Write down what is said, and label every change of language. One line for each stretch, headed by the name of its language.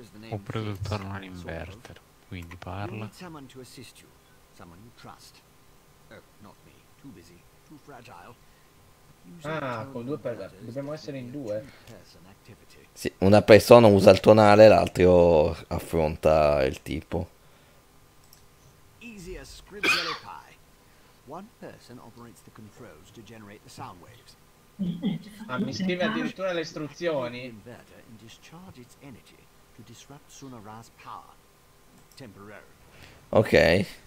Italian: Ho preso il tornare un inverter, quindi parla.
English: Someone to assist you, someone you trust. Oh, not me, too busy, too fragile.
Italian: Ah, con due persone, dobbiamo essere in due. Sì, una persona usa il tonale, l'altro affronta il tipo.
English: Scribble pie. One person operates the controls to generate the sound waves.
Italian: Ah, mi scrive addirittura le istruzioni.
English: Inverter and discharge its energy to disrupt Sunara's power temporarily. Okay.